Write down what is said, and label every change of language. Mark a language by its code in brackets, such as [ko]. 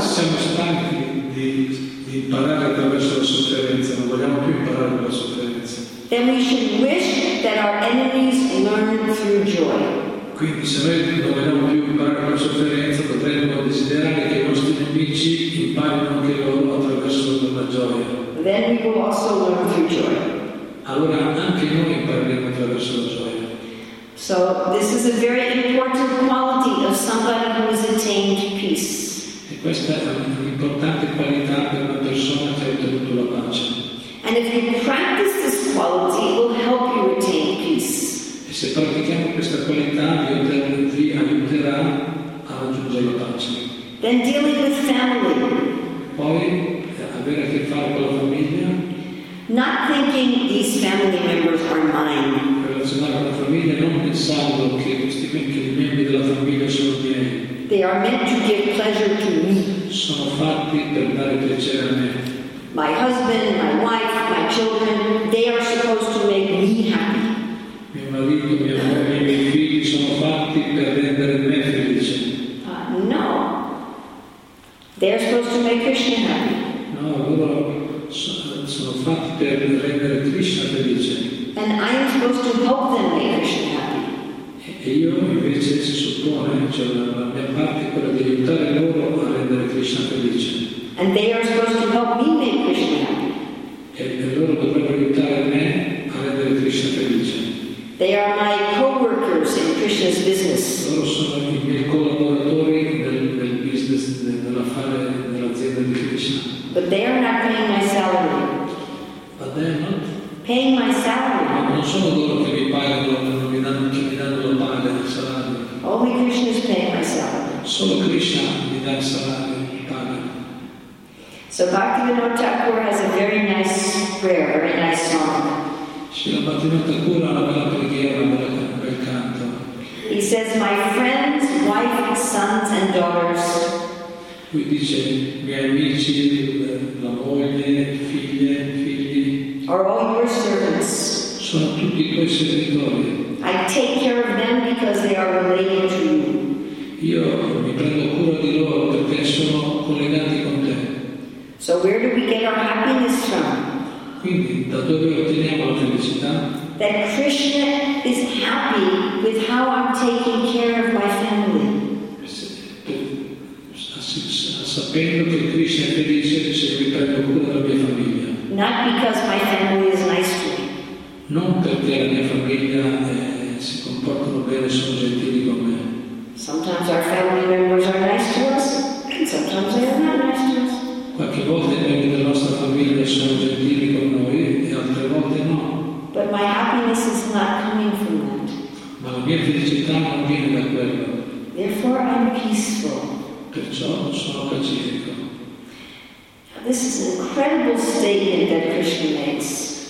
[it] siamo stanchi di imparare attraverso la sofferenza, non vogliamo più imparare la sofferenza. [en] Then we should wish that our enemies learn through joy. [it] Quindi se noi non vogliamo più imparare la sofferenza, potremmo desiderare che i nostri nemici imparino anche loro attraverso la gioia. [en] Then we will also learn through joy. [it] Allora anche noi impareremo attraverso la gioia. [en] So this is a very important quality of somebody who has attained peace. [it] E questa è un'importante qualità per una persona che ha ottenuto la pace. [en] And if you practice this quality, it will help you attain peace. [it] E se pratichiamo questa qualità, vi aiuterà a raggiungere la pace. [en] Then dealing with family. [it] Poi avere a che fare con la famiglia. [en] Not thinking these family members are mine. [it] Relazionare con la famiglia, non pensando che questi piccoli membri della famiglia sono miei. [en] They are meant to give pleasure to me. [it] Sono fatti per dare piacere a me. [en] My husband, my wife, my children, they are supposed to make me happy. [it] Mio marito, mia moglie, i miei figli sono fatti per rendere me felice. [en] No. They are supposed to make Krishna happy. [it] No, loro sono fatti per rendere Krishna felice. [en] And I am supposed to help them make Krishna happy. [it] E io invece si suppone, cioè la mia parte è quella di aiutare loro a rendere Krishna felice. [en] And they are supposed to help me make Krishna happy. [it] E loro dovrebbero aiutare me a rendere Krishna felice. [en] They are my co-workers in Krishna's business. [it] Loro sono i miei collaboratori nel business, nell'affare, nell'azienda di Krishna. [en] But they are not paying my salary. But they are not paying my salary. [it] Ma non sono loro che mi pagano, che mi danno la paga del salario. [en] Only Krishna is paying my salary. [it] Solo Krishna mi dà il salario, mi paga. [en] So Bhaktivinoda Thakur has a very nice prayer, a very nice song. [it] Srila Bhaktivinoda Thakur ha una bella preghiera, un bel canto. [en] He says, my friends, wife, sons and daughters. [it] Lui dice, miei amici, la moglie, figlie, figli. [en] Are all your servants. [it] Sono tutti tuoi servitori. [en] I take care of them because they are related to you. [it] Io mi prendo cura di loro perché sono collegati con te. [en] So where do we get our happiness from? [it] Quindi, da dove otteniamo la felicità? [en] That Krishna is happy with how I'm taking care of my family. [it] Sapendo che Krishna è felice se mi prendo cura della mia famiglia. [en] Not because my family is nice to me. [it] Non perché la mia famiglia si comportano bene e sono gentili con me. [en] Sometimes our family members are nice to us, and sometimes they are not nice to us. [it] Qualche volta i membri della nostra famiglia sono gentili con noi e altre volte no. [en] But my happiness is not coming from that. [it] Ma la mia felicità non viene da quello. [en] Therefore I'm peaceful. [it] Perciò sono pacifico. [en] This is an incredible statement that Krishna makes.